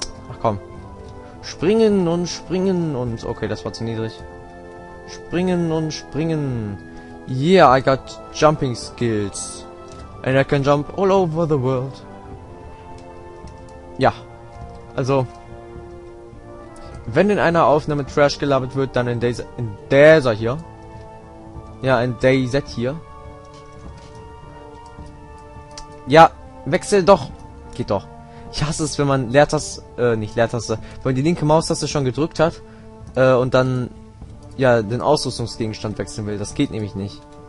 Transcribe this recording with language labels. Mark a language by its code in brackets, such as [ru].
[de] Ach komm. Springen und springen und... Okay, das war zu niedrig. Springen und springen. [en] Yeah, I got jumping skills. And I can jump all over the world. [de] Ja. Also. Wenn in einer Aufnahme Trash gelabert wird, dann in dieser hier. Ja, ein DayZ hier. Ja, wechsel doch. Geht doch. Ich hasse es, wenn man Leertaste, nicht Leertaste, wenn man die linke Maustaste schon gedrückt hat, und dann, ja, den Ausrüstungsgegenstand wechseln will. Das geht nämlich nicht.